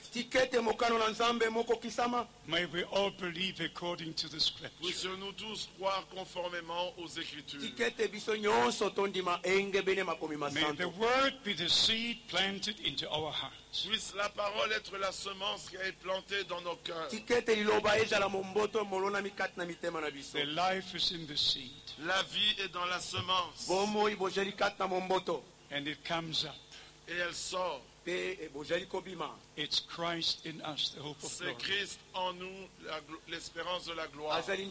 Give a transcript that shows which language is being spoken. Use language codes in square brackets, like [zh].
[en] May we all believe according to the scripture. [fr] Puissions-nous tous croire conformément aux Écritures. [en] May the word be the seed planted into our hearts. [fr] Puisse la parole être la semence qui est plantée dans nos cœurs. [en] The life is in the seed. [fr] La vie est dans la semence. [en] And it comes up. [fr] Et elle sort. [en] It's Christ in us, the hope of glory. [fr] C'est Christ en nous, l'espérance de la gloire.